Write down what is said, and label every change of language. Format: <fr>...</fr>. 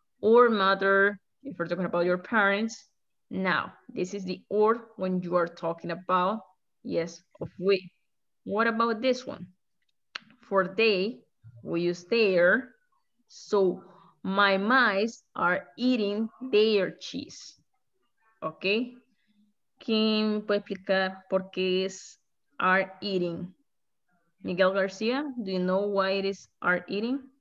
<en>Or mother, if we're talking about your parents. Now, this is the or when you are talking about, yes, of we. What about this one? For they, we use their. So my mice are eating their cheese, okay?</en> <es>¿Quién puede explicar por qué es are eating?</es> <en>Miguel Garcia, do you know why it is are eating?</en>